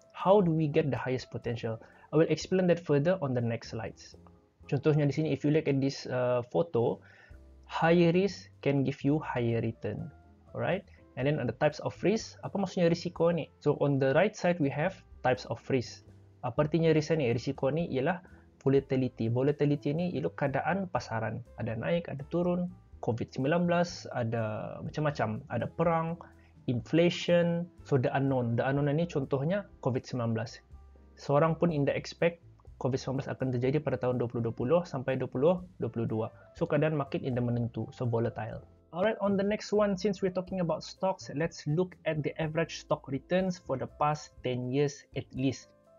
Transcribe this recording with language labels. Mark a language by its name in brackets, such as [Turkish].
[English] How do we get the highest potential? I will explain that further on the next slides. [Malay] Contohnya di sini, [English] if you look at this photo, higher risk can give you higher return. Alright? And then on the types of risk, [Malay] apa maksudnya risiko ni? [English] So on the right side, we have types of risk. [Malay] Apa artinya risk ni? Risiko ni ialah volatility. Volatility ni ialah keadaan pasaran. Ada naik, ada turun, COVID-19, ada macam-macam. Ada perang, [English] inflation, so the unknown. The unknown [Malay] ni contohnya COVID-19. Seorang pun tidak expect COVID-19 akan terjadi pada tahun 2020 sampai 2022. So keadaan market tidak menentu, so volatile. [English] Alright, on the next one, since we're talking about stocks, let's look at the average stock returns for the past 10 years at least.